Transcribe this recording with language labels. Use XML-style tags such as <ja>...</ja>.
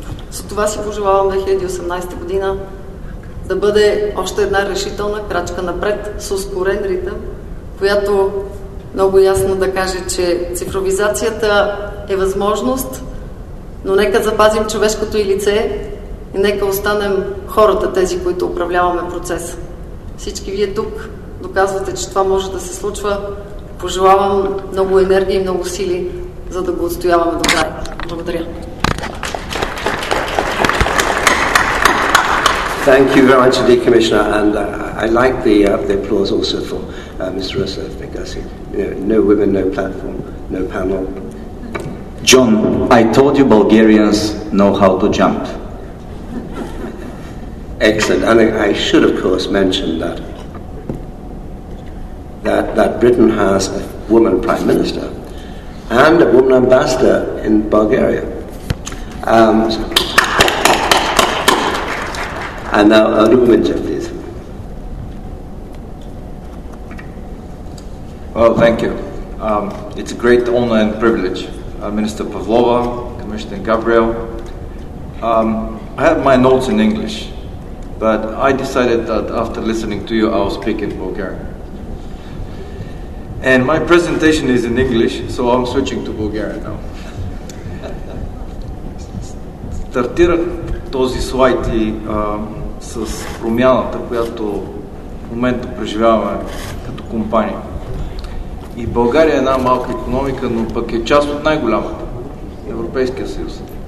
<bg>За това си пожелавам 2018 година да бъде още една решителна крачка напред с ускорен ритъм, която много ясно да каже, че цифровизацията е възможност, но нека запазим човешкото и лице и нека останем хората, тези, които управляваме процеса. Всички вие тук доказвате, че това може да се случва. Пожелавам много енергия и много сили, за да го отстояваме до края. Благодаря.</bg> <en>Thank you very much indeed, Commissioner, and I like the applause also for Ms. Rousseff, because no women, no platform, no panel. John, I told you Bulgarians know how to jump. Excellent, and I should of course mention that Britain has a woman Prime Minister and a woman Ambassador in Bulgaria. And now, only women, please. Well, thank you. It's a great honor and privilege. Minister Pavlova, Commissioner Gabriel. I have my notes in English, but I decided that after listening to you, I'll speak in Bulgarian. And my presentation is in English, so I'm switching to Bulgarian now.</en> <bg>Стартирах този слайд и с промяната, която в момента преживяваме като компания. И България е една малка икономика, но пък е част от най-голямата Европейския съюз.</bg>